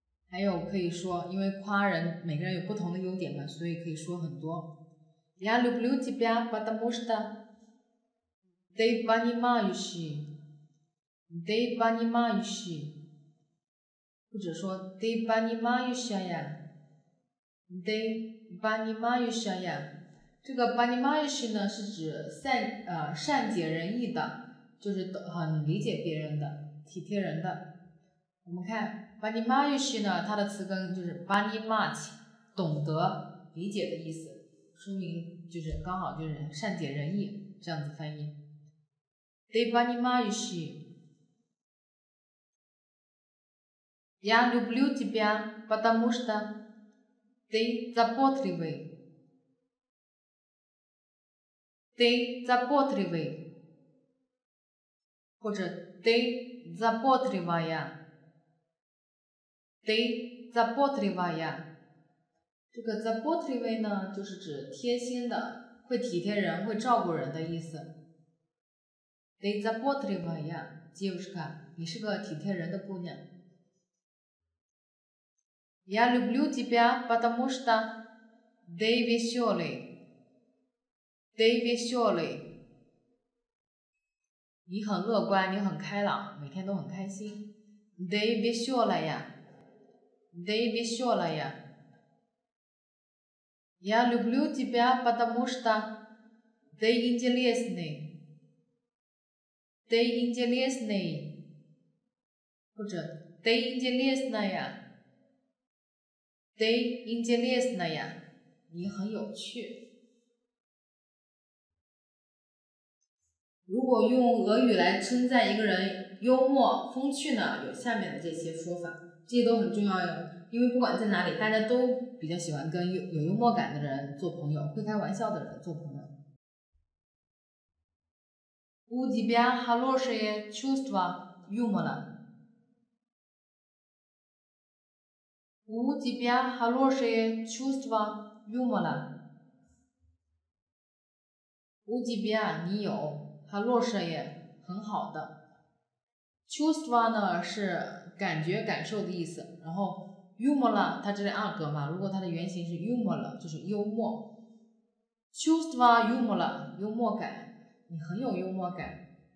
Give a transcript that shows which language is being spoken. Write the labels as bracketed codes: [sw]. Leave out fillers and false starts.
[zh] 还有可以说，因为夸人每个人有不同的优点嘛，所以可以说很多。 [ru] Я люблю тебя, потому что ты понимающий, ты понимающий, 或者说ты понимающая, ты понимающая。 [zh] 这个понимающий呢，是指善解人意的，就是很理解别人的，体贴人的。我们看。 Понимающий呢，它的词根就是 понимать， 懂得、理解的意思，说明就是刚好就是善解人意这样子翻译。 [ru] Ты понимающий. Я люблю тебя, потому что ты заботливый. Ты заботливый. 或者 ты заботливая. [zh] ты заботливая， 这个 заботливый 呢就是指贴心的，会体贴人，会照顾人的意思。 [ru] ты заботливая， девушка， [zh] 你是个体贴人的姑娘。 [ru] Я люблю тебя, потому что ты веселый. Ты веселый. [zh] 你很乐观，你很开朗，每天都很开心。 [ru] ты веселая. Ты веселая. Я люблю тебя, потому что ты интересный. Ты интересный. 或者 ты интересная. Ты интересная. [zh] 你很有趣。如果用俄语来称赞一个人幽默风趣呢，有下面的这些说法，这些都很重要哟。因为不管在哪里，大家都比较喜欢跟有幽默感的人做朋友，会开玩笑的人做朋友。 [ru] У тебя хорошее чувство юмора. У тебя хорошее чувство юмора. У тебя [zh] 你有 хорошее 很好的 чувство 呢是感觉感受的意思，然后humor 了，它这是二格嘛，如果它的原型是 humor 了，就是幽默。 чувство humor 了，幽默感，你很有幽默感。